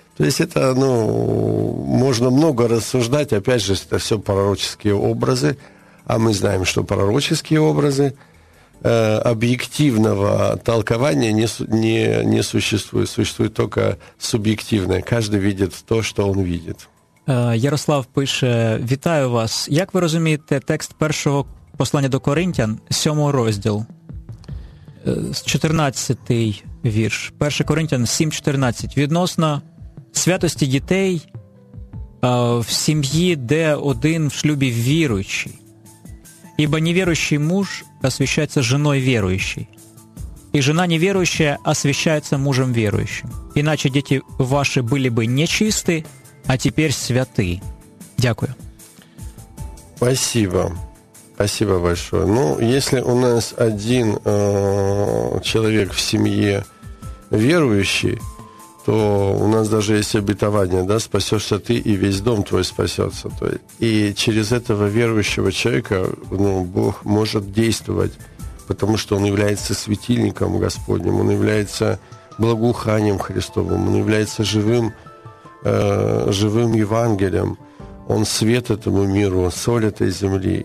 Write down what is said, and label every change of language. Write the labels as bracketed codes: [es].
[ru] То есть это, ну, можно много рассуждать, опять же, это все пророческие образы, а мы знаем, что пророческие образы объективного толкования не существует, существует только субъективное, каждый видит то, что он видит. [uk] Ярослав пише, вітаю вас, як ви розумієте текст першого послання до Коринтян, 7 розділ? 14-й вірш, 1 Коринтян 7:14, відносно... святості дітей в сім'ї, де один в шлюбі віруючий. Ібо невіруючий муж освящається женою віруючий. І жена невіруюча освящається мужем віруючим. Іначе діти ваші були б нечисті, а тепер святі. Дякую. [ru] Спасибо. Спасибо большое. [uk] Ну, якщо у нас один чоловік в сім'ї віруючий, [ru] то у нас даже есть обетование, да, спасешься ты, и весь дом твой спасется. То есть, и через этого верующего человека, ну, Бог может действовать, потому что он является светильником Господним, он является благоуханием Христовым, он является живым, живым Евангелием, он свет этому миру, он соль этой земли.